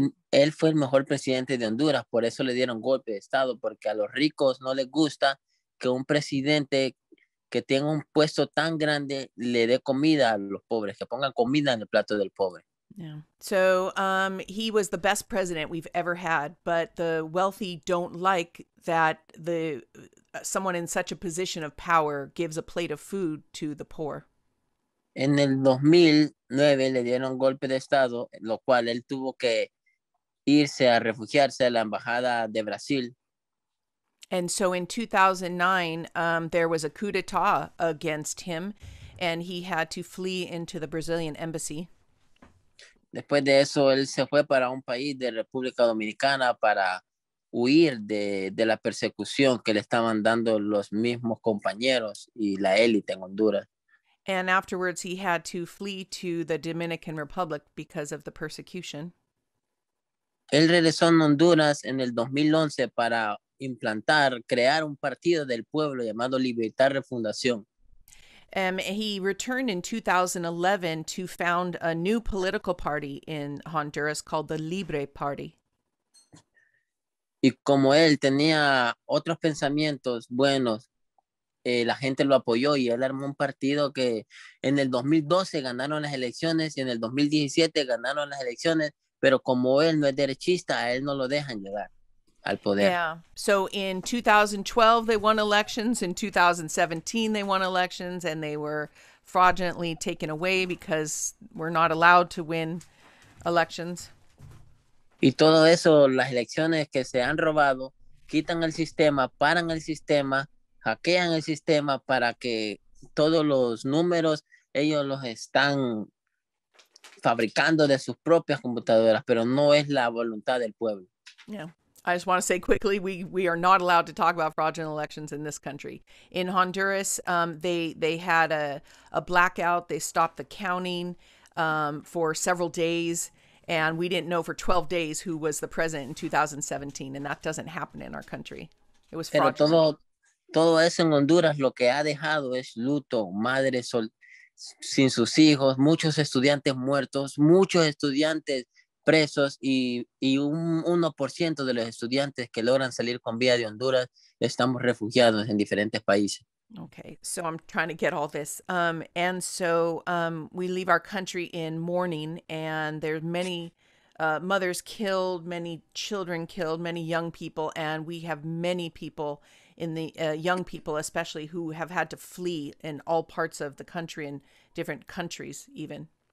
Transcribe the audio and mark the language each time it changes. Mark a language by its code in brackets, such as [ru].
[es] Él fue el mejor presidente de Honduras, por eso le dieron golpe de estado, porque a los ricos no les gusta que un presidente que tenga un puesto tan grande le dé comida a los pobres, que pongan comida en el plato del pobre. [en] Yeah. So he was the best president we've ever had, but the wealthy don't like that someone in such a position of power gives a plate of food to the poor. [es] En el 2009 le dieron golpe de estado, lo cual él tuvo que irse a refugiarse a la embajada de Brasil. [en] And so in 2009, there was a coup d'etat against him, and he had to flee into the Brazilian embassy. [es] Después de eso, él se fue para un país de República Dominicana para huir de la persecución que le estaban dando los mismos compañeros y la élite en Honduras. [en] And afterwards, he had to flee to the Dominican Republic because of the persecution. [es] Él regresó a Honduras en el 2011 para implantar, crear un partido del pueblo llamado Libertad Refundación. [en] He returned in 2011 to found a new political party in Honduras called the Libre Party. [es] Y como él tenía otros pensamientos buenos, la gente lo apoyó y él armó un partido que en el 2012 ganaron las elecciones y en el 2017 ganaron las elecciones, pero como él no es derechista, a él no lo dejan llegar al poder. [en] Yeah. So in 2012 they won elections, in 2017 they won elections and they were fraudulently taken away because we're not allowed to win elections. [es] Y todo eso, las elecciones que se han robado, quitan el sistema, paran el sistema, hackean el sistema para que todos los números ellos los están fabricando de sus propias computadoras, pero no es la voluntad del pueblo. [en] Yeah. I just want to say quickly, we are not allowed to talk about fraudulent elections in this country. In Honduras, they had a blackout. They stopped the counting for several days, and we didn't know for 12 days who was the president in 2017, and that doesn't happen in our country. It was fraudulent. [es] Pero todo eso en Honduras lo que ha dejado es luto, madres sin sus hijos, muchos estudiantes muertos, muchos estudiantes presos y un 1% de los estudiantes que logran salir con vida de Honduras estamos refugiados en diferentes países. [en] Okay, so I'm trying to get all this. We leave our country in mourning and there's many mothers killed, many children killed, many young people, and we have many people in the young people especially who have had to flee in all parts of the country and different countries even.